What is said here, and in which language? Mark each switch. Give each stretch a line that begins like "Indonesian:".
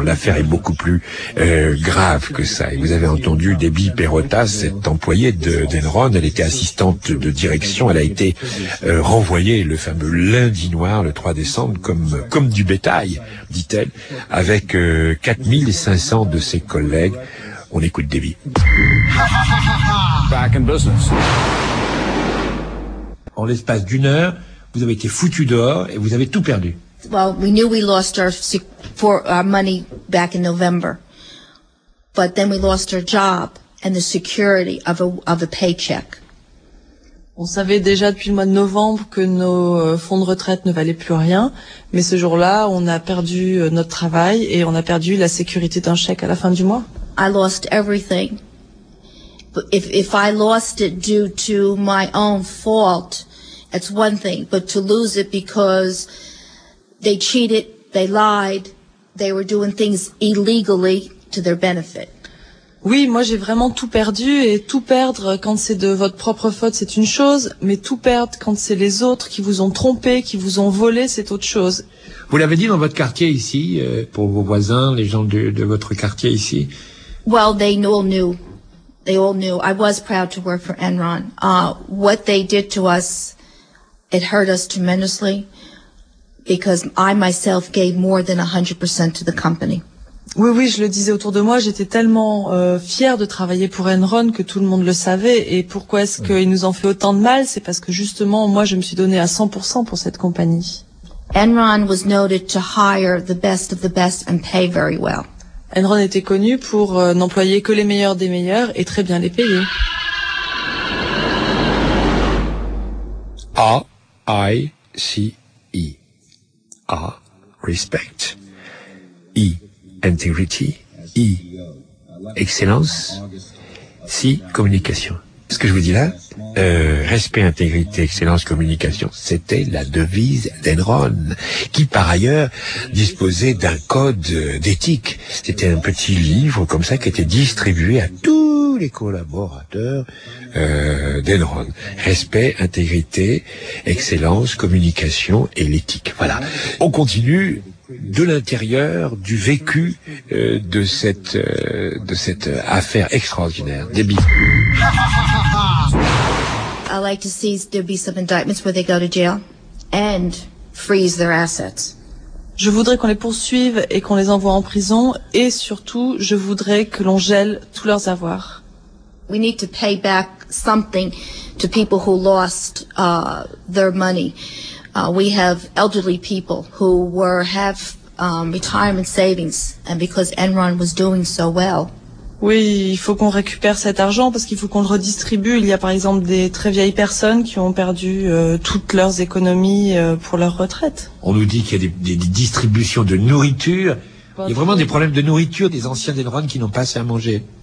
French: L'affaire est beaucoup plus grave que ça. Et vous avez entendu Debbie Perrotta, cette employée d'Enron, elle était assistante de direction, elle a été renvoyée le fameux lundi noir, le 3 décembre, comme du bétail, dit-elle, avec 4500 de ses collègues. On écoute Debbie.
English: Back in business.
French: En l'espace d'une heure, vous avez été foutu dehors et vous avez tout perdu.
English: Well, we knew we lost our money back in November. But then we lost our job and the security of a paycheck.
French: On savait déjà depuis le mois de novembre que nos fonds de retraite ne valaient plus rien. Mais ce jour-là, on a perdu notre travail et on a perdu la sécurité d'un chèque à la fin du mois.
English: I lost everything. If I lost it due to my own fault, it's one thing. But to lose it because they cheated, they lied, they were doing things illegally to their benefit.
French: Oui, moi j'ai vraiment tout perdu, et tout perdre quand c'est de votre propre faute, c'est une chose, mais tout perdre quand c'est les autres qui vous ont trompé, qui vous ont volé, c'est autre chose. Vous l'avez dit dans votre quartier ici, pour vos voisins, les gens de votre quartier ici.
English: Well, they all knew. I was proud to work for Enron. What they did to us, it hurt us tremendously, because I myself gave more than 100% to the company.
French: Oui, oui, je le disais autour de moi, j'étais tellement fière de travailler pour Enron que tout le monde le savait. Et pourquoi est-ce qu'ils nous ont fait autant de mal? C'est parce que justement, moi, je me suis donnée à 100% pour cette compagnie.
English: Enron was noted to hire the best of the best and pay very well.
French: Enron était connu pour n'employer que les meilleurs des meilleurs et très bien les payer.
English: A-I-C-E. A, respect. E, integrity, I, excellence, si, communication.
French: Ce que je vous dis là, respect, intégrité, excellence, communication, c'était la devise d'Enron, qui par ailleurs disposait d'un code d'éthique. C'était un petit livre comme ça qui était distribué à tous les collaborateurs d'Enron. Respect, intégrité, excellence, communication et l'éthique. Voilà. On continue de l'intérieur, du vécu de cette affaire extraordinaire. Debbie.
English: I like to see there be some indictments where they go to jail and freeze their assets.
French: Je voudrais qu'on les poursuive et qu'on les envoie en prison, et surtout je voudrais que l'on gèle tous leurs avoirs.
English: We need to pay back something to people who lost their money. We have elderly people who have retirement savings, and because Enron was doing so well.
French: Oui, il faut qu'on récupère cet argent parce qu'il faut qu'on le redistribue. Il y a par exemple des très vieilles personnes qui ont perdu toutes leurs économies pour leur retraite. On nous dit qu'il y a des distributions de nourriture. Il y a vraiment des problèmes de nourriture des anciens d'Enron qui n'ont pas assez à manger.